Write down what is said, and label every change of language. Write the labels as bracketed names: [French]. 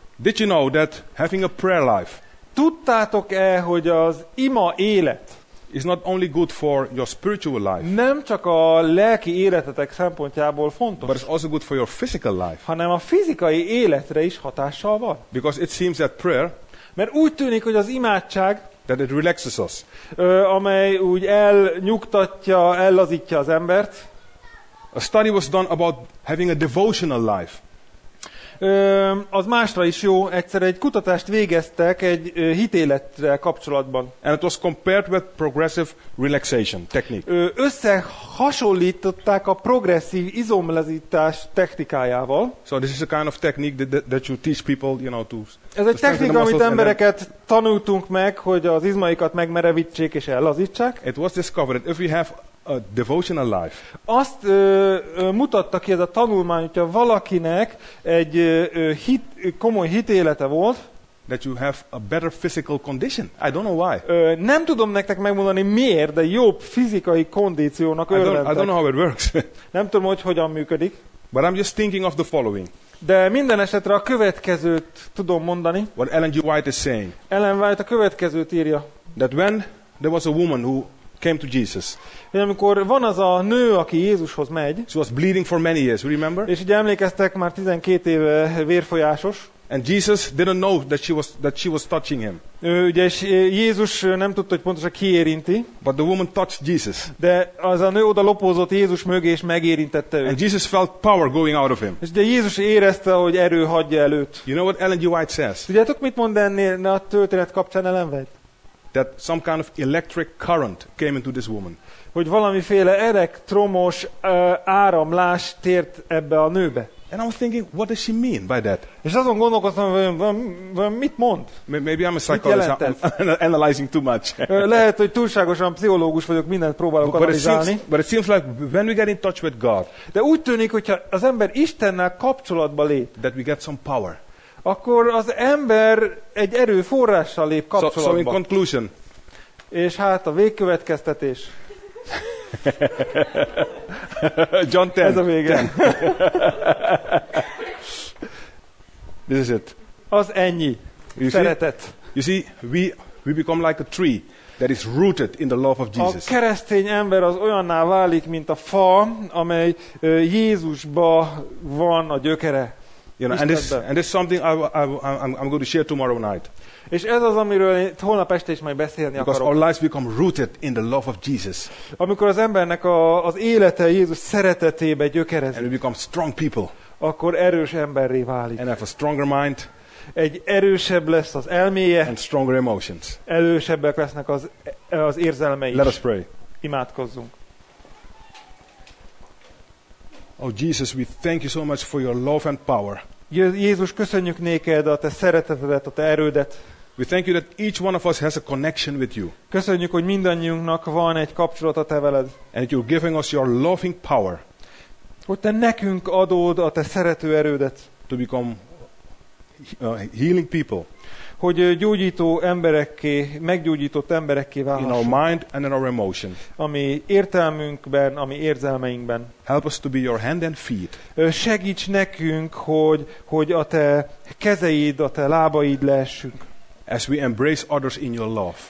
[English] Did you know that having a prayer life? [Hungarian] Tudtátok-e, hogy az ima élet? [English] Is not only good for your spiritual life. [Hungarian] Nem csak a lelki életetek szempontjából fontos. [English] But it's also good for your physical life. [Hungarian] Hanem a fizikai életre is hatással van. [English] Because it seems that prayer. [Hungarian] Mert úgy tűnik, hogy az imádság. [English] That it relaxes us. [Hungarian] Amely úgy elnyugtatja, ellazítja az embert. [English] A study was done about having a devotional life. [Hungarian] Az másra is jó, egyszer egy kutatást végeztek egy hitélettel kapcsolatban. [English] And it was compared with progressive relaxation technique. [Hungarian] Összehasonlították a progresszív izomlazítás technikájával. [English] So this is a kind of technique that you teach people, you know, to. [Hungarian] Ez egy technika, amit embereket tanultunk meg, hogy az izmaikat megmerevítsék és ellazítsák. [English] It was discovered if we have a devotional life. [Hungarian] Azt mutatta ki ez a tanulmány, hogyha valakinek egy komoly hitélete volt, [English] that you have a better physical condition. I don't know why. [Hungarian] Nem tudom nektek megmondani miért, de jobb fizikai kondíciónak örvendek. [English] I don't know how it works. [Hungarian] Nem tudom, hogy hogyan működik. [English] But I'm just thinking of the following. [Hungarian] De minden esetre a következőt tudom mondani. [English] What Ellen G. White is saying. [Hungarian] Ellen White a következőt írja. [English] That when there was a woman who came to Jesus. [Hungarian] Én amikor van az a nő, aki Jézushoz megy. [English] She was bleeding for many years, remember? [Hungarian] És ugye emlékeztek, már 12 éve vérfolyásos. [English] And Jesus didn't know that she was touching him. [Hungarian] Ugye Jézus nem tudta, hogy pontosan ki érinti. [English] But the woman touched Jesus. [Hungarian] De az a nő oda lopózott Jézus mögé és megérintette őt. [English] And Jesus felt power going out of him. [Hungarian] És ugye Jézus érezte, hogy erő hagyja előtt. [English] You know what Ellen G. White says? [Hungarian] Tudjátok, mit mond ennél a történet kapcsán Ellen White? [English] That some kind of electric current came into this woman. [Hungarian] Hogy valamiféle elektromos áramlás tért ebbe a nőbe. [English] And I was thinking, what does she mean by that? [Hungarian] És azon gondolkoztam, hogy mit mond? [English] Maybe I'm a psychologist, analyzing too much. [Hungarian] Lehet, hogy túlságosan pszichológus vagyok, mindent próbálok analizálni. [English] But it seems like when we get in touch with God. [Hungarian] De úgy tűnik, hogyha az ember Istennel kapcsolatba lép. [English] That we get some power. [Hungarian] Akkor az ember egy erőforrással lép kapcsolatba. [English] So in conclusion. [Hungarian] És hát a végkövetkeztetés. [English] John 10. [Hungarian] Ez a vége. [English] This is it. [Hungarian] Az ennyi. [English] You [Hungarian] szeretet. [English] See? You see, we become like a tree that is rooted in the love of Jesus. [Hungarian] A keresztény ember az olyanná válik, mint a fa, amely Jézusba van a gyökere. [English] You know, and this is something I'm going to share tomorrow night. [Hungarian] És ez az, amiről holnap este is majd beszélni akarok. [English] Because our lives become rooted in the love of Jesus. [Hungarian] Amikor az embernek az élete Jézus szeretetébe gyökerezik. [English] And we become strong people. [Hungarian] Akkor erős emberré válik. [English] And have a stronger mind. [Hungarian] Egy erősebb lesz az elméje. [English] And stronger emotions. [Hungarian] Erősebbek lesznek az érzelmei. [English] Let us pray. [Hungarian] Imádkozzunk. [English] Oh Jesus, we thank you so much for your love and power. [Hungarian] Jézus, köszönjük néked a te szeretetedet, a te erődet. [English] We thank you that each one of us has a connection with you. [Hungarian] Köszönjük, hogy mindannyiunknak van egy kapcsolat a te veled. [English] And you're giving us your loving power. [Hungarian] Hogy te nekünk adod a te szerető erődet. [English] To become healing people. [Hungarian] Hogy gyógyító emberekké, meggyógyított emberekké válhassunk. [English] In our mind and in our emotion. [Hungarian] Ami értelmünkben, ami érzelmeinkben. [English] Help us to be your hand and feet. [Hungarian] Segíts nekünk, hogy a te kezeid, a te lábaid lehessünk. [English] As we embrace others in your love.